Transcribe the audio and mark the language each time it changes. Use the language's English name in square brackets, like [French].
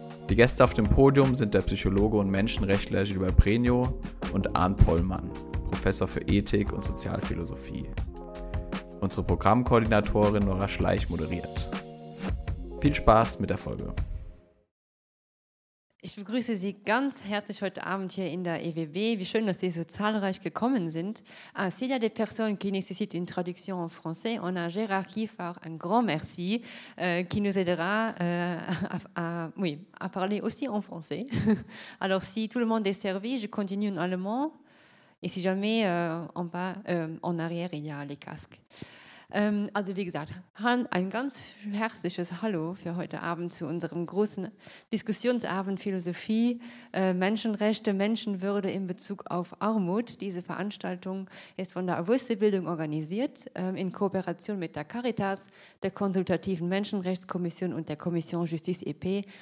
[German] Die Gäste auf dem Podium sind der Psychologe und Menschenrechtler Gilbert Prenio und Arndt Pollmann, Professor für Ethik und Sozialphilosophie. Unsere Programmkoordinatorin Nora Schleich moderiert. Viel Spaß mit der Folge. Ich begrüße Sie ganz herzlich heute Abend hier in der EWB. Wie schön, dass Sie so zahlreich gekommen sind. [French] S'il y a des personnes qui nécessitent une traduction en français, on a Gérard Kiefer, un grand merci, qui nous aidera à parler aussi en français. Alors, si tout le monde est servi, je continue en allemand. Et si jamais en arrière, il y a les casques. [German] Also wie gesagt, ein ganz herzliches Hallo für heute Abend zu unserem großen Diskussionsabend Philosophie, Menschenrechte, Menschenwürde in Bezug auf Armut. Diese Veranstaltung ist von der Avoisse-Bildung organisiert, in Kooperation mit der Caritas, der Konsultativen Menschenrechtskommission und der Commission Justice EP.